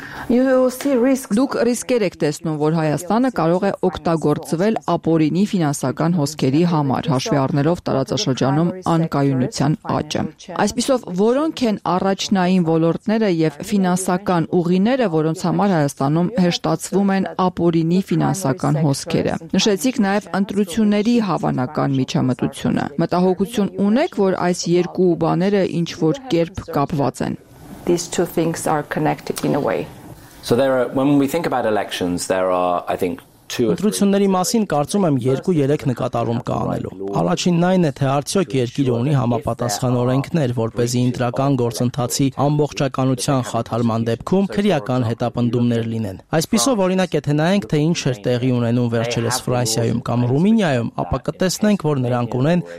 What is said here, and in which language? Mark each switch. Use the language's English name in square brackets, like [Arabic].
[Armenian] Դուք ռիսկեր եք տեսնում, որ Հայաստանը կարող է օգտագործվել ապօրինի ֆինանսական հոսքերի համար, հաշվի առնելով տարածաշրջանում անկայունության աճը։ Այսպիսով, որոնք են առաջնային ոլորտները եւ ֆինանսական ուղիները, որոնց համար Հայաստանում հեշտացվում են ապօրինի ֆինանսական հոսքերը։ Նշեցիք նաեւ ընտրությունների հավանական միջամտությունը։ Մտահոգություն ունեք, որ այս երկու բաները ինչ որ կերպ կապված են։ [English] These two things are connected in a way. So there are, when we think about elections, there are, I think, [Armenian] Ընտրությունների մասին կարծում եմ 2-3 նկատառում կա անելու։ Առաջինն այն է, թե արդյոք երկիրը ունի համապատասխան օրենքներ, որպեսզի ինտրական գործընթացի ամբողջականության խաթարման դեպքում քրեական հետապնդումներ լինեն։ Այսպիսով, օրինակ, եթե նայենք, թե ինչ էր տեղի ունենում վերջերս Ֆրանսիայում կամ Ռումինիայում, ապա կտեսնենք, որ նրանք ունեն